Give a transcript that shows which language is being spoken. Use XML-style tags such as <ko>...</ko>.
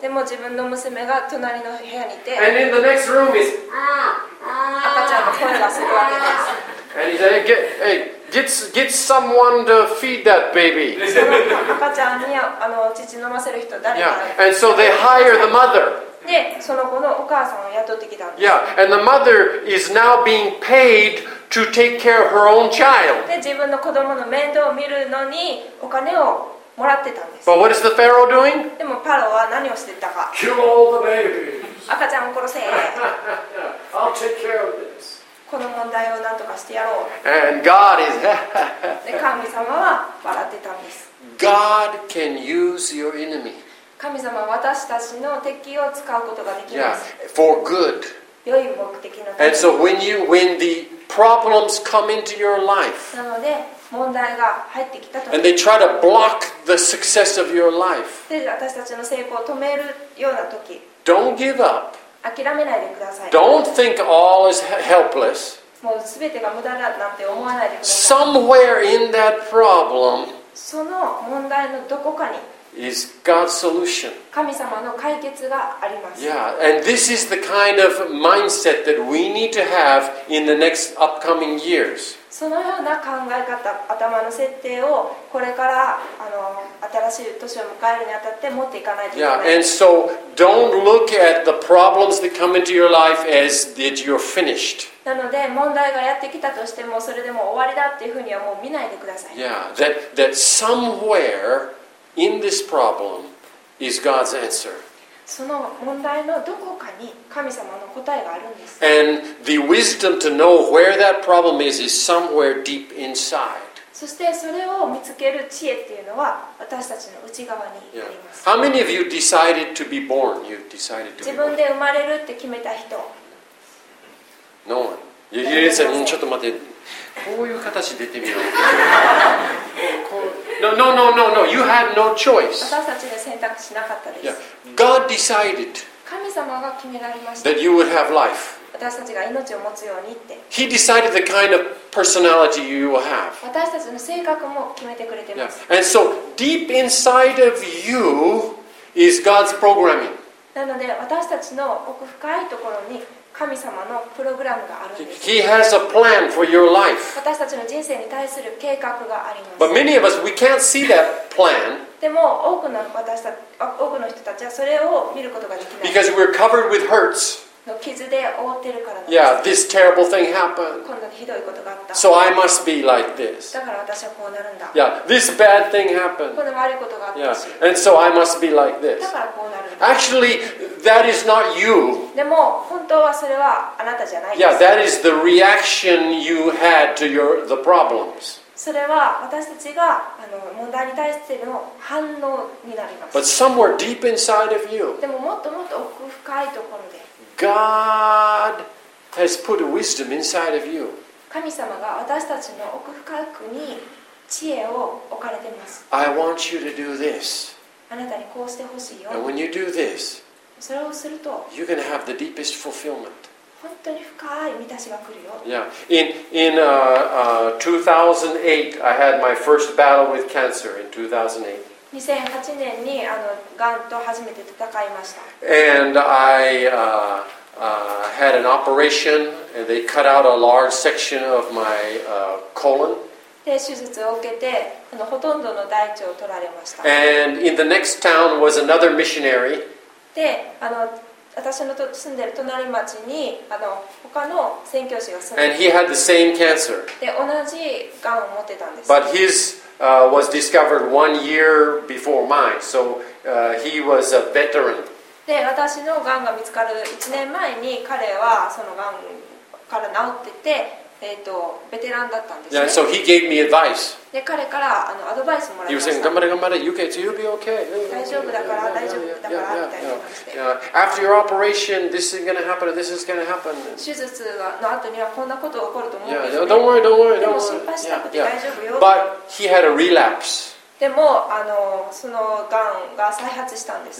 <ja>でも自分の娘が隣の部屋にいて。</ja> <en>And in the next room is</en> <ja>赤ちゃんの声がするわけです。</ja> <en>And he said, get someone to feed that baby.</en> <ja>赤ちゃんにあの乳飲ませる人誰か。</ja> <en>Yeah. And so they hire the mother.</en> <ja>でその子のお母さんを雇ってきたんです。</ja> <en>Yeah. And the mother is now being paid. To take care of her own child.</en> <ja>で自分の子供の面倒を見るのにお金をもらってたんです。</ja> <en>But what is the Pharaoh doing?</en> <ja>でもパロは何をしてたか。</ja> <en>Kill all the babies.</en> <ja>赤ちゃんを殺せ。</ja> <en>I'll take care of this.</en> <ja>この問題を何とかしてやろう。</ja> <en>And God is.</en> <ja>で神様は笑ってたんです。</ja> <en>God can use your enemy.</en> <ja>神様は私たちの敵を使うことができます。</ja> <en>Yeah, for good.</en> <ja>良い目的のために。</ja> <en>And so when you win theproblems come into your life.</en> <ja>なので問題が入ってきたと。</ja> <en>And they try to block the success of your life.</en> <ja>で私たちの成功を止めるような時。</ja> <en>Don't give up.</en> <ja>諦めないでください。</ja> <en>Don't think all is helpless.</en> <ja>もう全てが無駄だなんて思わないでください。</ja> <en>Somewhere in that problem.</en> <ja>その問題のどこかに。</ja> <en>Is God's solution.</en> <ja>神様の解決があります。</ja> <en>Yeah, and this is the kind of mindset that we need to have in the next upcoming years.</en> <ja>そのような考え方、頭の設定をこれからあの新しい年を迎えるにあたって持っていかないといけない。</ja> <en>Yeah, and so don't look at the problems that come into your life as that you're finished.</en> <ja>なので問題がやってきたとしてもそれでも終わりだっていうふうにはもう見ないでください。</ja> <en>Yeah, that somewhere. In this problem is God's answer.</en> <ja>その問題のどこかに神様の答えがあるんです。</ja> <en>And the wisdom to know where that problem is somewhere deep inside.</en> <ja>そしてそれを見つける知恵っていうのは私たちの内側にあります。</ja> <en>Yeah. How many of you decided to be born? You decided to be born.</en> <ja>自分で生まれるって決めた人。</ja> <en>No one. You didn't say,</en> <ja>ちょっと待って。こういう形出てみよう。</ja> <en>No. You had no choice.</en> <ja>私たちで選択しなかったです。</ja> <en>Yeah. God decided.</en> <ja>神様が決められました。</ja> <en>That you would have life.</en> <ja>私たちが命を持つようにって。</ja> <en>He decided the kind of personality you will have.</en> <ja>私たちの性格も決めてくれてます。</ja> <en>Yeah. And so deep inside of you is God's programming.</en> <ja>なので私たちの奥深いところに。神様のプログラムがあるんです。</ja> <en>He has a plan for your life.</en> <ja>私たちの人生に対する計画があります。</ja> <en>But many of us, we can't see that plan.</en> <ja>でも多くの人たちはそれを見ることができない。</ja> <en>Because we're covered with hurts.</en> <ja>の傷で覆ってるからです。</ja> <en>Yeah, this terrible thing happened.</en> <ja>こんなひどいことがあった。</ja> <en>So I must be like this.</en> <ja>だから私はこうなるんだ。</ja> <en>Yeah, this bad thing happened.</en> <ja>この悪いことがあったし。</ja> <en>Yeah, and so I must be like this.</en> <ja>だからこうなるんだ。</ja> <en>Actually, that is not you.</en> <ja>でも本当はそれはあなたじゃないです。</ja> <en>Yeah, that is the reaction you had to the problems.</en> <ja>それは私たちがあの問題に対しての反応になります。</ja> <en>But somewhere deep inside of you,</en> <ja>でももっともっと奥深いところで、</ja> <en>God has put wisdom inside of you.</en> <ja>神様が私たちの奥深くに知恵を置かれています。</ja> <en>I want you to do this.</en> <ja>あなたにこうしてほしいよ。</ja> <en>And when you do this,</en> <ja>それをすると、</ja> <en>You're going to have the deepest fulfillment.</en> <ja>本当に深い満たしが来るよ。</ja> <en>Yeah. In 2008, I had my first battle with cancer in 2008.</en> <ja>2008年にあの、がんと初めて戦いました。</ja> <en>And I had an operation, and they cut out a large section of my colon.</en> <ja>で、手術を受けて、あのほとんどの大腸を取られました。</ja> <en>And in the next town was another missionary.</en> <ja>であの私の住んでる隣町にあの他の宣教師が住んでる。</ja> <en>And he had the same cancer.</en> <ja>で同じがんを持ってたんです。</ja> <en>But his was discovered 1 year before mine, so he was a veteran.</en> <ja>で私のがんが見つかる1年前に彼はそのがんから治ってて。ベテランだったんですね。</ja> <en>Yeah, so he gave me advice.</en> <ja>で彼からあのアドバイスもらいました。</ja> <en>He was saying,</en> <ja>頑張れ頑張れ、</ja> <en>You can, you'll be okay.</en> <ja>大丈夫だから、大丈夫だからって。</ja> <en>After your operation, this is going to happen, this is going to happen.</en> <ja>手術の後にはこんなこと起こると思うんですね。</ja> <en>Yeah, don't worry.</en> <ja>でも心配したくて大丈夫よ。</ja> <en>But he had a relapse.</en> <ja>でもあのそのがんが再発したんです。</ja>